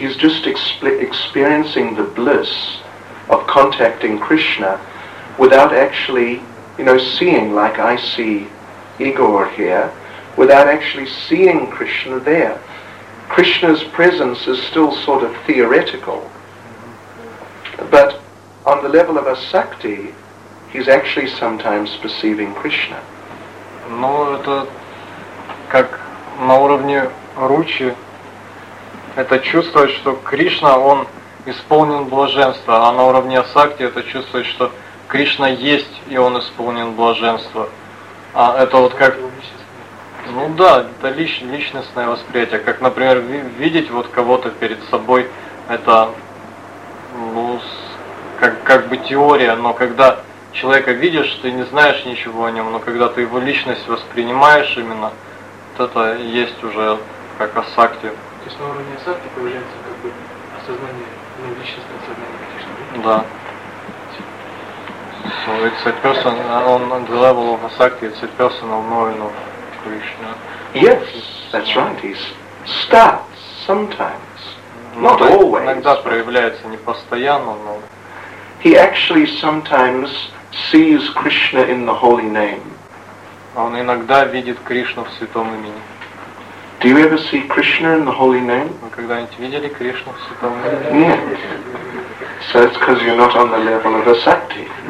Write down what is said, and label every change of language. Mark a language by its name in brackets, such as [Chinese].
[English] He's just experiencing the bliss of contacting Krishna, without actually, you know, seeing, like I see Igor here, without actually seeing Krishna there. Krishna's presence is still sort of theoretical. But on the level of asakti, he's actually sometimes perceiving Krishna. [Russian] Ну, это как на уровне ручи, это чувствовать, что Кришна, он исполнен блаженства, а на уровне асакти это чувствовать, что Кришна есть, и он исполнен блаженства. А это вот как... Ну да, это личностное восприятие. Как, например, видеть вот кого-то перед собой, это, ну, как бы теория. Но когда человека видишь, ты не знаешь ничего о нем, но когда ты его личность воспринимаешь именно, вот это есть уже как асакти. То есть на уровне асакти появляется как бы осознание, ну, личностное осознание. Да. [English] So it's a person on the level of asakti, it's a personal knowing of Krishna. Yes, that's right. He starts sometimes, not always. [Russian] Иногда проявляется не постоянно, но [English] he actually sometimes sees Krishna in the holy name. [Russian] Он иногда видит Кришну в святом имени. [English] Do you ever see Krishna in the holy name? [Russian] Вы когда-нибудь видели Кришну в святом имени? Нет. [English] So it's because you're not on the level of a sati.